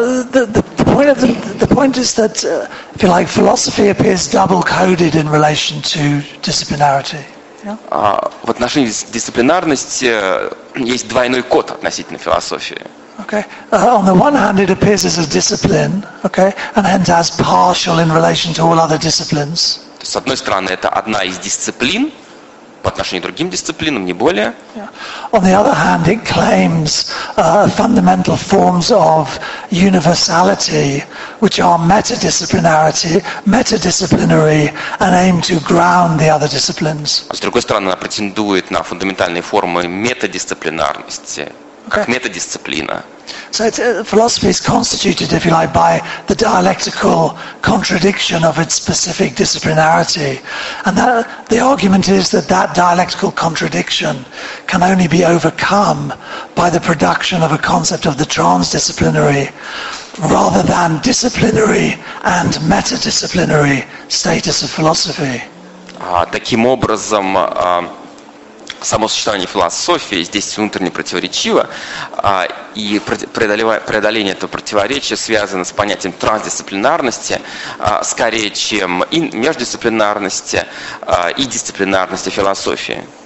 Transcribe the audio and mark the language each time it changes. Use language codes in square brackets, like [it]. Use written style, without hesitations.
[en] The point is that, if you like, philosophy appears double-coded in relation to disciplinarity. [ru] В отношении дисциплинарности есть двойной код относительно философии. Okay. [en] On the one hand, it appears as a discipline, okay, and hence as partial in relation to all other disciplines. [ru] То есть, с одной стороны, это одна из дисциплин по отношению к другим дисциплинам, не более. Yeah. [en] On the other hand, it claims fundamental forms of universality, which are metadisciplinarity, metadisciplinary, and aim to ground the other disciplines. [ru] С другой стороны, она претендует на фундаментальные формы метадисциплинарности. Как метадисциплина. [en] So philosophy is constituted, if you like, by the dialectical contradiction of its specific disciplinarity, and that, the argument is that that dialectical contradiction can only be overcome by the production of a concept of the transdisciplinary, rather than disciplinary and metadisciplinary status of philosophy. [ru] Таким образом. Само существование философии здесь внутренне противоречиво, и преодоление этого противоречия связано с понятием трансдисциплинарности, скорее, чем и междисциплинарности, и дисциплинарности философии.